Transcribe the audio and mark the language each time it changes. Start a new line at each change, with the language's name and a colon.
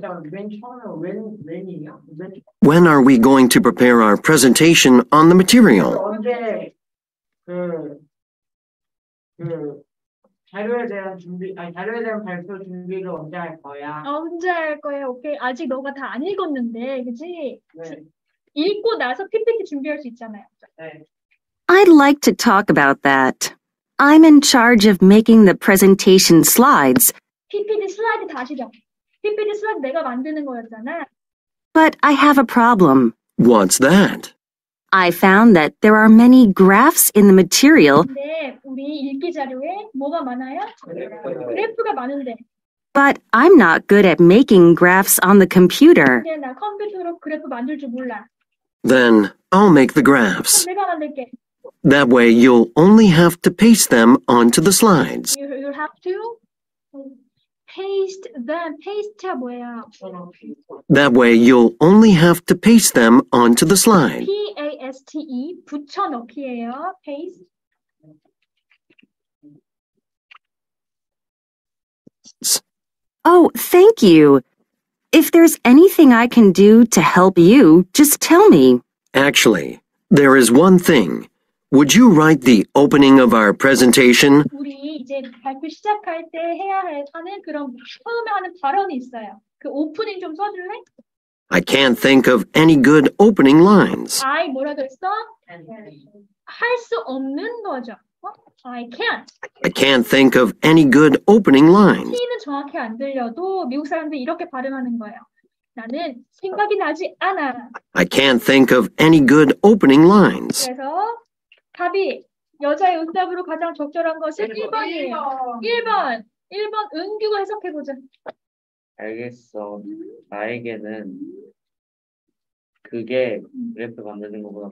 Korean: 맨 처음에 when이냐?
English: When are we going to prepare our presentation on the material?
Korean: 언제 그 자료에 대한 준비 자료에 대한 발표 준비를 언제 할 거야? 오케이. 아직 너가 다 안 읽었는데, 그치? 네. 읽고 나서 PPT 준비할 수 있잖아요. 네.
English: I'd like to talk about that. I'm in charge of making the presentation slides.
Korean: PPT 슬라이드 다시 줘. PPT 슬라이드 내가 만드는 거였잖아.
English: But I have a problem. What's that? I found that there are many graphs in the material.
Korean: 네, 우리 읽기 자료에 뭐가 많아요? 그래프가 많은데.
English: But I'm not good at making graphs on the computer.
Korean: 네, 나 컴퓨터로 그래프 만들 줄 몰라.
English: Then I'll make the graphs.
Korean: 내가 만들게.
English: That way you'll only have to paste them onto the slides. You'll have to paste them.
Korean: Paste가 뭐야?
English: That way you'll only have to paste them onto the slide.
Korean: P-A-S-T-E, 붙여넣기예요.
English: Paste. Oh, thank you. If there's anything I can do to help you, just tell me. Actually, there is one thing. Would you write the opening of our presentation?
Korean: 우리 이제 발표 시작할 때 해야 하는 그런 처음에 하는 발언이 있어요. 그 오프닝 좀 써줄래?
English: I can't think of any good opening lines.
Korean: I 뭐라 그랬어? 할 수 없는 거죠.
English: I can't. I can't think of any good opening lines.
Korean: T는 정확히 안 들려도 미국 사람들이 이렇게 발음하는 거예요. 나는 생각이 나지 않아.
English: I can't think of any good opening lines.
Korean: 그래서 답이 여자의 응답으로 가장 적절한 것은 1번 은규가 해석해보자. 알겠어. 나에게는 그게 그래프 만드는 것보다